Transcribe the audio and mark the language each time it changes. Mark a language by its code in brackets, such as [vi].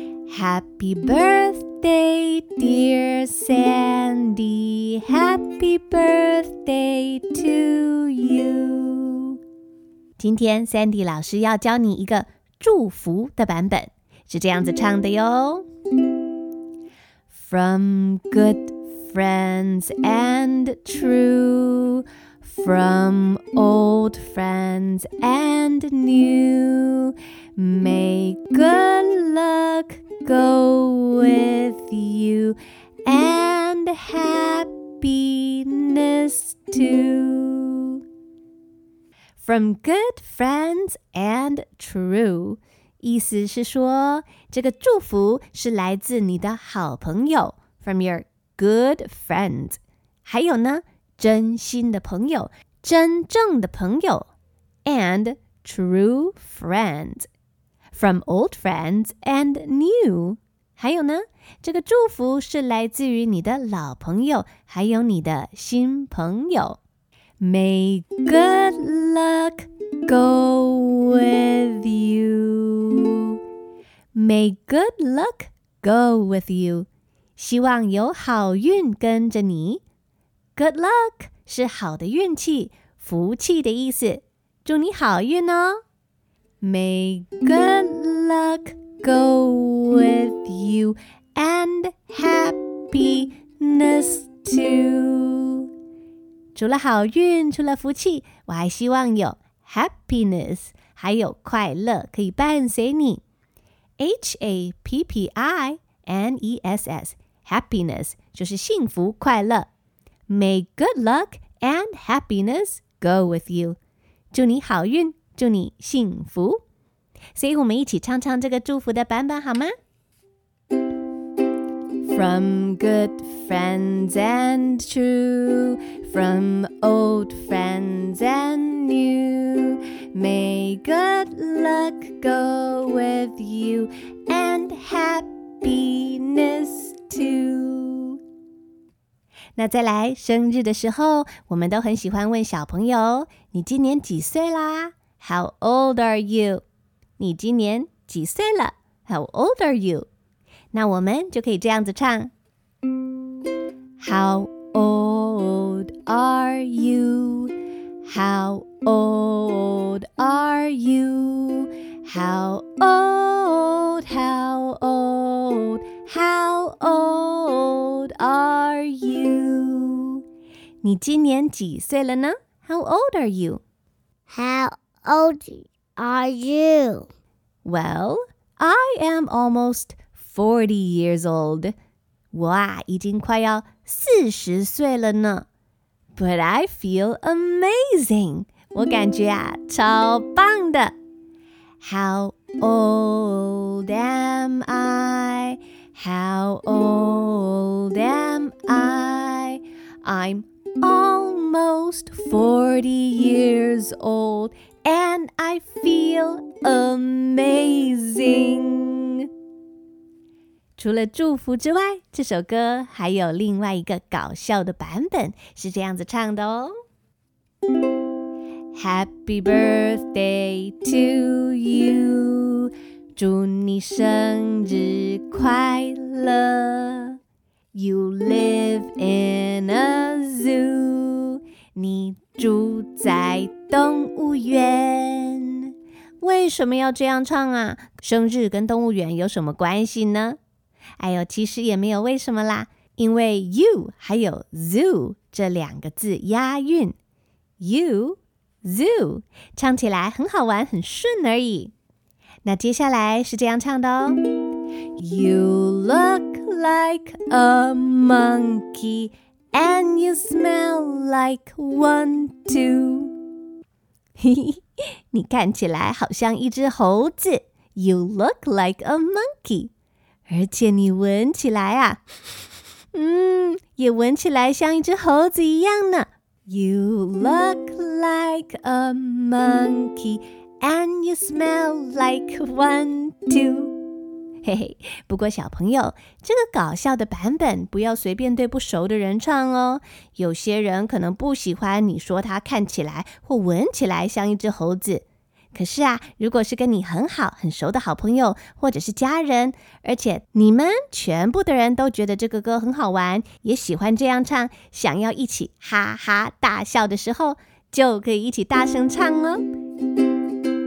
[en] Happy birthday dear Sandy. Happy birthday to you. [zh] 今天 Sandy 老师要教你一个祝福的版本，是这样子唱的哟。 [en] From good friends and true, From old friends and new, May good luck go with you And happiness tooFrom good friends and true， [zh] 意思是说这个祝福是来自你的好朋友 ， [en] from your good friends。 [zh] 还有呢，真心的朋友，真正的朋友 ， [en] and true friends。 From old friends and new， [zh] 还有呢，这个祝福是来自于你的老朋友，还有你的新朋友。 [en] May good luck go with you. May good luck go with you. [zh] 希望有好运跟着你。 Good luck 是好的运气、福气的意思。祝你好运哦。 [en] May good luck go with you and happiness too. [zh] 除了好运，除了福气，我还希望有 happiness， 还有快乐可以伴随你。 happiness， happiness 就是幸福快乐。 [en] May good luck and happiness go with you， [zh] 祝你好运，祝你幸福。所以我们一起唱唱这个祝福的版本好吗？ [en] From good friends and true, From old friends and new, May good luck go with you And happiness too. [zh] 那再来，生日的时候，我们都很喜欢问小朋友，你今年几岁啦？ [en] How old are you? [zh] 你今年几岁了？ [en] How old are you? 那我们就可以这样子唱 How old are you? How old are you? How old, how old, how old are you? [zh] 你今年几岁了呢？ [en] How old are you? How old are you? Well, I am almost 40 years old. [zh] 我啊，已经快要四十岁了呢。 [en] But I feel amazing. [zh] 我感觉啊，超棒的。 [en] How old am I? How old am I? I'm almost 40 years old and I feel amazing. [zh] 除了祝福之外，这首歌还有另外一个搞笑的版本，是这样子唱的哦。 [en] Happy birthday to you， [zh] 祝你生日快乐。 [en] You live in a zoo， [zh] 你住在动物园。为什么要这样唱啊？生日跟动物园有什么关系呢？哎呦，其实也没有为什么啦，因为 you 还有 zoo 这两个字押韵， you zoo 唱起来很好玩，很顺而已。那接下来是这样唱的哦。 [en] You look like a monkey and you smell like one too. [zh] 你看起来好像一只猴子。 [en] You look like a monkey。 [zh] 而且你闻起来啊，也闻起来像一只猴子一样呢。 [en] You look like a monkey and you smell like one too. [zh] 嘿嘿，不过小朋友，这个搞笑的版本不要随便对不熟的人唱哦。有些人可能不喜欢你说他看起来或闻起来像一只猴子。可是啊，如果是跟你很好很熟的好朋友或者是家人，而且你们全部的人都觉得这个歌很好玩，也喜欢这样唱，想要一起哈哈大笑的时候，就可以一起大声唱哦。